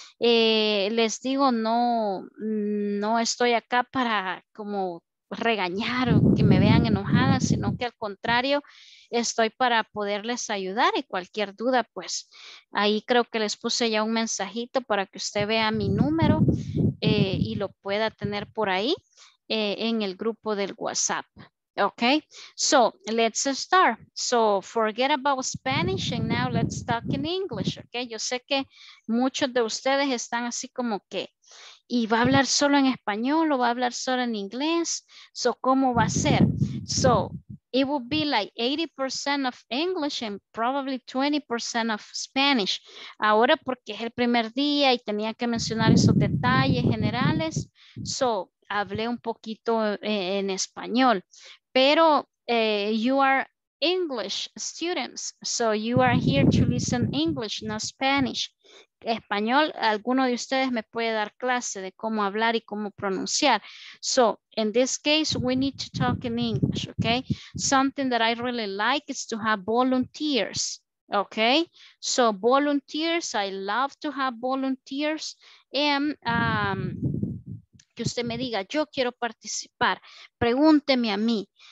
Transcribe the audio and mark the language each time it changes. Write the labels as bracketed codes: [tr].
[es] Les digo, no estoy acá para como regañar o que me vean enojada, sino que al contrario, estoy para poderles ayudar y cualquier duda, pues ahí creo que les puse ya un mensajito para que usted vea mi número y lo pueda tener por ahí en el grupo del WhatsApp. [en] Okay, so let's start. So forget about Spanish and now let's talk in English. [es] Okay, yo sé que muchos de ustedes están así como que, ¿y va a hablar solo en español o va a hablar solo en inglés? [en] So, [es] ¿cómo va a ser? [en] So, it will be like 80% of English and probably 20% of Spanish. [es] Ahora, porque es el primer día y tenía que mencionar esos detalles generales, so, hablé un poquito en español. [en] Pero, you are English students, so you are here to listen English, not Spanish. [es] Español, alguno de ustedes me puede dar clase de cómo hablar y cómo pronunciar. [en] So, in this case, we need to talk in English, okay? Something that I really like is to have volunteers, okay? So, volunteers, I love to have volunteers. [es] And que usted me diga, yo quiero participar, pregúnteme a mí.